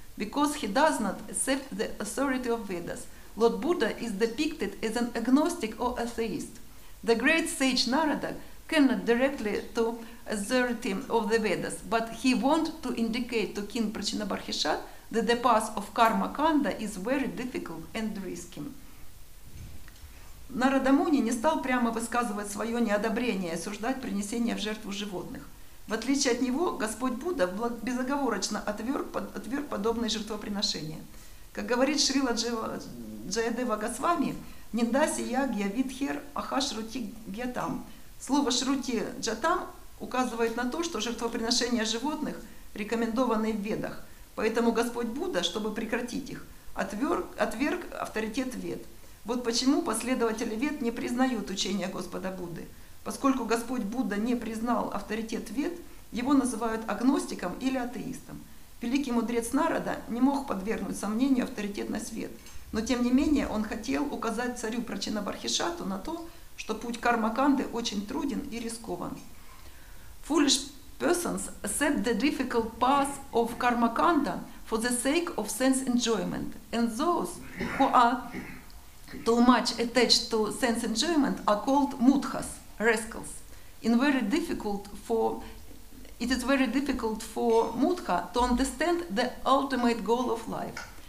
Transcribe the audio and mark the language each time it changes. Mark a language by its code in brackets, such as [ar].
[en] Because he does not accept the authority of Vedas, Lord Buddha is depicted as an agnostic or atheist. The great sage Narada cannot directly to authority of the Vedas, but he wants to indicate to King Prachinabarhishat that the path of Karma Kanda is very difficult and risky. [ru] Narada Muni не стал прямо высказывать свое неодобрение и осуждать принесение в жертву животных. В отличие от него, Господь Будда безоговорочно отверг подобное жертвоприношение. Как говорит Шрила Джаядева Госвами, «Ниндаси ягья видхер аха шрути гьятам». Слово «шрути джатам» указывает на то, что жертвоприношения животных рекомендованы в Ведах. Поэтому Господь Будда, чтобы прекратить их, отверг авторитет Вед. Вот почему последователи Вед не признают учения Господа Будды. Поскольку Господь Будда не признал авторитет Вед, его называют агностиком или атеистом. Великий мудрец Нарада не мог подвергнуть сомнению авторитетность Вед, но тем не менее он хотел указать царю Прачинабархишату на то, что путь кармаканды очень труден и рискован. [en] Foolish persons accept the difficult path of кармаканда for the sake of sense enjoyment, and those who are too much attached to sense enjoyment are called mudhas. Rascals. It is very difficult for Mudha to understand the ultimate goal of life.